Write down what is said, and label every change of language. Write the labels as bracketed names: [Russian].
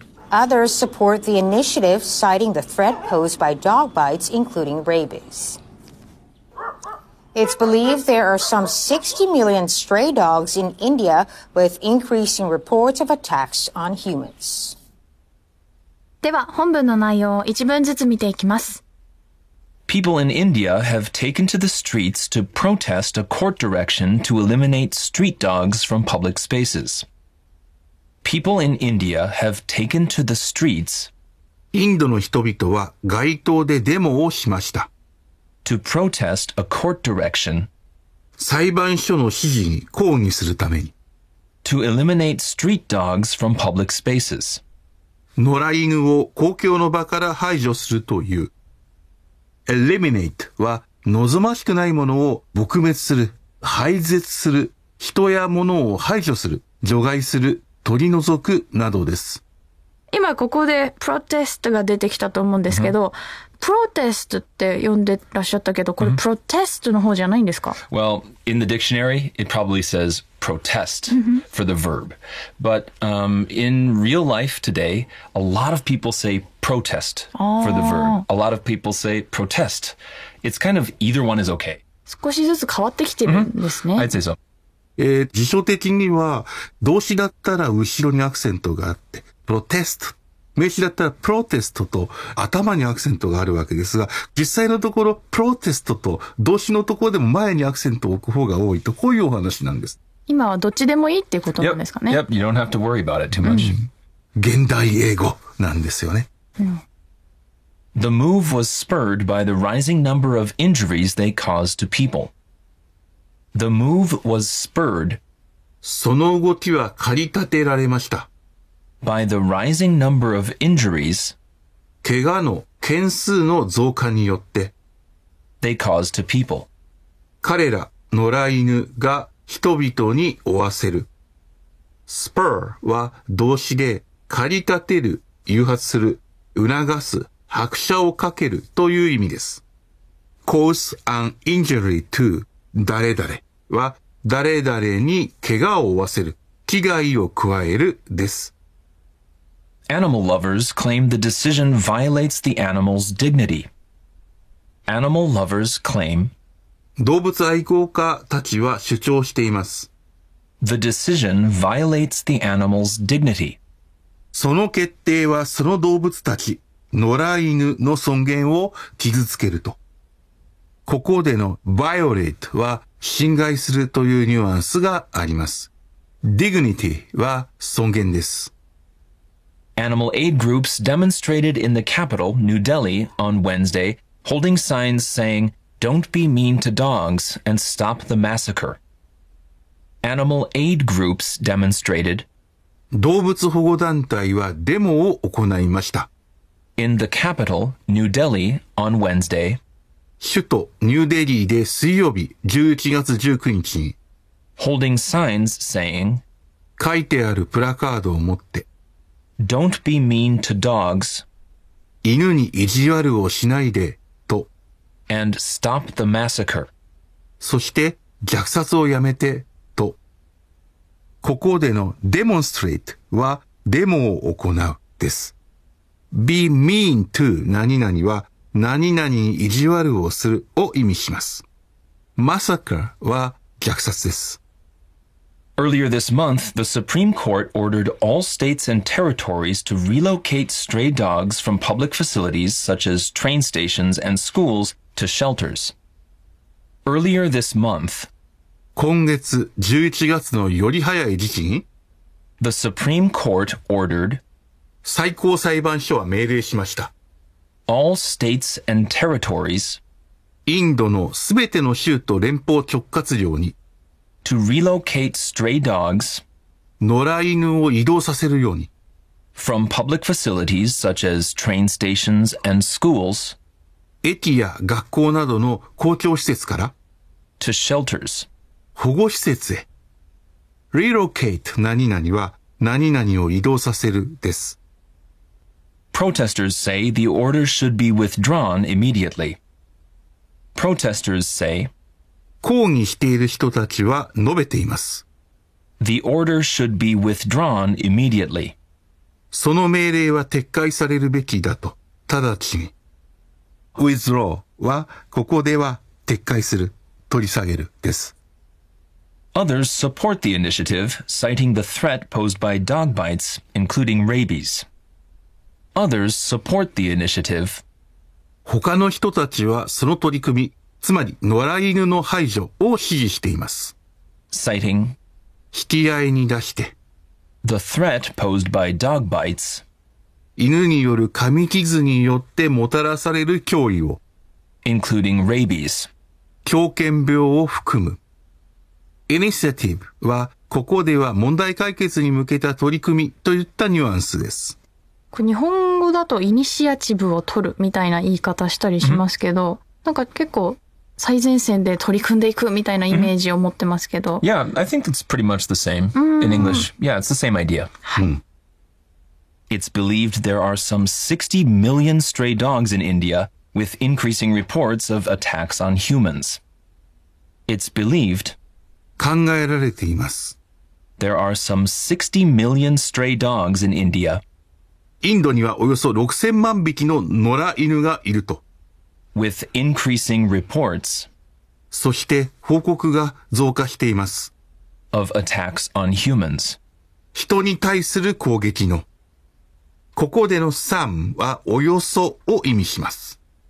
[English] Others support the initiative, citing the threat posed by dog bites, including rabies. It's believed there are some 60 million stray dogs in India, with increasing reports of attacks on humans. [Japanese] では本文の内容を一文ずつ見ていきます。 [English] People in India have taken to the streets to protest a court direction to eliminate street dogs from public spaces. People in India have taken to the streets. [Japanese] インドの人々は街頭でデモをしました。 [English] To protest a court direction. [Japanese] 裁判所の指示に抗議するために。 [English] To eliminate street dogs from public spaces. [Japanese] 野良犬を公共の場から排除するという。 Eliminate は望ましくないものを撲滅する、廃絶する、人や物を排除する、除外する、取り除くなどです。今ここでプロテストが出てきたと思うんですけど、うん、プロテストって呼んでらっしゃったけど、これプロテストの方じゃないんですか？ [English] Well, in the dictionary, it probably says protest for the verb. But、in real life today, a lot of people say protest for the verb. A lot of people say protest. It's kind of either one is okay. [Japanese] 少しずつ変わってきてるんですね。 [English] I'd say so. [Japanese] 辞書的には動詞だったら後ろにアクセントがあってプロテスト、名詞だったらプロテストと頭にアクセントがあるわけですが、実際のところプロテストと動詞のところでも前にアクセントを置く方が多いと、こういうお話なんです。今はどっちでもいいっていうことなんですかね。 [English] Yep, you don't have to worry about it too much、うん、 [Japanese] 現代英語なんですよね、うん、 [English] The move was spurred by the rising number of injuries they caused to peopleThe move was spurred. [Japanese] その動きは駆り立てられました。 [English] By the rising number of injuries, [Japanese] 怪我の件数の増加によって、 [English] they caused to people. [Japanese] 彼ら、野良犬が人々に負わせる。 spur は動詞で、駆り立てる、誘発する、促す、拍車をかけるという意味です。 [English] cause an injury to 誰々。 [Japanese] は誰々に怪我を負わせる、危害を加えるです。 [English] Animal lovers claim the decision violates the animal's dignity. Animal lovers claim [Japanese] 動物愛好家たちは主張しています。 [English] The decision violates the animal's dignity. [Japanese] その決定はその動物たち、野良犬の尊厳を傷つけると。ここでの violate は侵害するというニュアンスがあります。 dignity は尊厳です。 [English] Animal aid groups demonstrated in the capital, New Delhi, on Wednesday, holding signs saying, "Don't be mean to dogs and stop the massacre." Animal aid groups demonstrated. [Japanese] 動物保護団体はデモを行いました。 [English] In the capital, New Delhi, on Wednesday. [Japanese] 首都ニューデリーで水曜日11月19日に。 [English] Holding signs saying. [Japanese] 書いてあるプラカードを持って。 [English] Don't be mean to dogs. [Japanese] 犬に意地悪をしないで、と。 [English] And stop the massacre. [Japanese] そして虐殺をやめて、と。ここでの demonstrate はデモを行うです。 be mean to 何々は何々に意地悪をするを意味します。 massacre は虐殺です。 [English] Earlier this month, the Supreme Court ordered all states and territories to relocate stray dogs from public facilities such as train stations and schools to shelters. Earlier this month, [Japanese] 今月11月のより早い時期に [English] The Supreme Court ordered [Japanese] 最高裁判所は命令しました。 [English] All states and territories [Japanese] インドのすべての州と連邦直轄領に [English] To relocate stray dogs, [Japanese] 野良犬を移動させるように [English] from public facilities such as train stations and schools, [Japanese] 駅や学校などの公共施設から [English] to shelters, [Japanese] 保護施設へ relocate 何々は何々を移動させるです。 [English] Protesters say the order should be withdrawn immediately. Protesters say, [Japanese] 抗議している人たちは述べています。 [English] The order should be withdrawn immediately. [Japanese] その命令は撤回されるべきだと、直ちに。 withdraw は、ここでは撤回する、取り下げるです。 [English] Others support the initiative, citing the threat posed by dog bites, including rabies. Others support the initiative. [Japanese] 他の人たちはその取り組み、つまり野良犬の排除を支持しています。 [English] Citing [Japanese] 引き合いに出して [English] The threat posed by dog bites [Japanese] 犬による噛み傷によってもたらされる脅威を [English] Including rabies [Japanese] 狂犬病を含む Initiative はここでは問題解決に向けた取り組みといったニュアンスです。日本語だとイニシアチブを取るみたいな言い方したりしますけど、うんなんか結構最前線で取り組んでいくみたいなイメージを持ってますけど。 [English] Yeah, I think it's pretty much the same in English. Yeah, it's the same idea. It's believed there are some 60 million stray dogs in India with increasing reports of attacks on humans. It's believed [Japanese] 考えられています。 [English] There are some 60 million stray dogs in India. [Japanese] インドにはおよそ6000万匹の野良犬がいると。 [English] With increasing reports, [Japanese] そして報告が増加しています。 [English] Of attacks on humans. [Japanese] 人に対する攻撃の。ここでの some はおよそを意味します。